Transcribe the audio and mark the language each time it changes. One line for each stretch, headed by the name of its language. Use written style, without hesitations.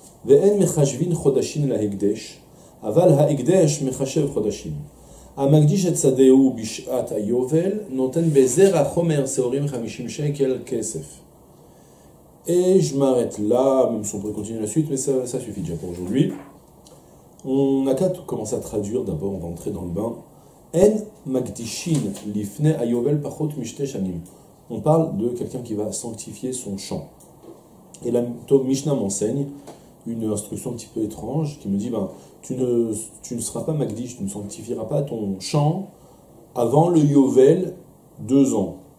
Hebrew: ואין מחשבין חודשים להקדש, אבל ההקדש מחשב חודשים. המקדיש את שדהו בשעת היובל, נותן בזרע חומר שעורים 50 שקל כסף.
French: Et je m'arrête là, même si on pourrait continuer la suite, mais ça suffit déjà pour aujourd'hui. On n'a qu'à commencer à traduire d'abord, on va entrer dans le bain.
Hebrew: אין מקדישין לפני היובל פחות משתי שנים.
French: On parle de quelqu'un qui va sanctifier son champ. Et la Mishnah m'enseigne une instruction un petit peu étrange qui me dit ben, tu ne seras pas magdish, tu ne sanctifieras pas ton champ avant le yovel 2 ans.